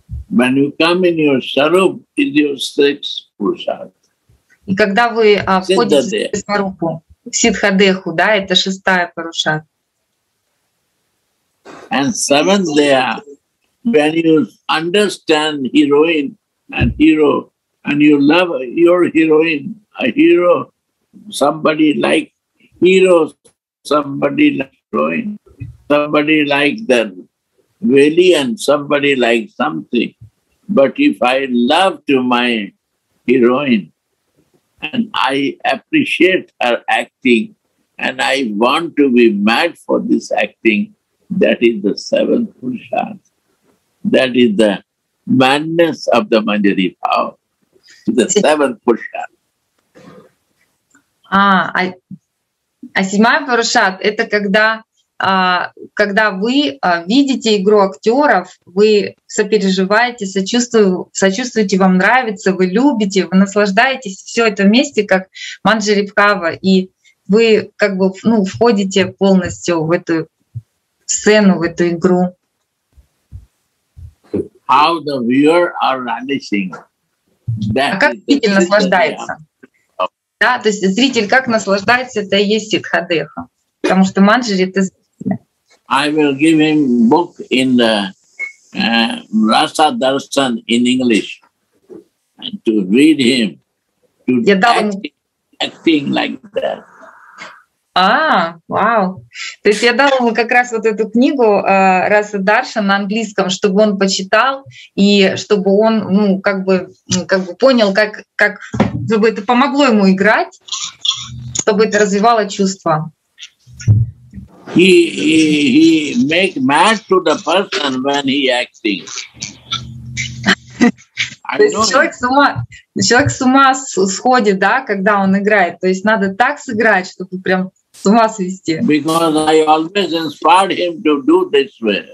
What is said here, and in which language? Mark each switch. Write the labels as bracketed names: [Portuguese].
[English] When you come in your sarup, it's your sixth prasad. [Russian] И когда вы входите в сварупу, в сиддхадеху, да, это шестая прашад. [English] And seventh there, when you understand heroine and hero, and you love your heroine, a hero, somebody like hero, somebody like heroine, somebody like the valley and somebody like something. But if I love to my heroine and I appreciate her acting and I want to be mad for this acting, that is the seventh prashad. That is the madness of the Manjari power. The seventh prashad. [Russian] А седьмая прашад – это когда вы видите игру актеров, вы сопереживаете, сочувствуете, вам нравится, вы любите, вы наслаждаетесь все это вместе, как Манджари Бхава, и вы как бы ну, входите полностью в эту сцену, в эту игру. [English] How the viewer are relishing. [Russian] А как зритель наслаждается? Да, то есть зритель как наслаждается, это и есть сиддхадеха, потому что Манджари — это [English] I will give him book in the Rasa Darshan in English and to read him, to acting like that. [Russian] А, вау. То есть я дала ему как раз вот эту книгу Раса Дарша на английском, чтобы он почитал и чтобы он, ну, как бы понял, как чтобы это помогло ему играть, чтобы это развивало чувства. [English] He make match to the person when he acting. [Russian] Человек с ума сходит, да, когда он играет. То есть надо так сыграть, чтобы прям с ума свести. [English] Because I always inspired him to do this way.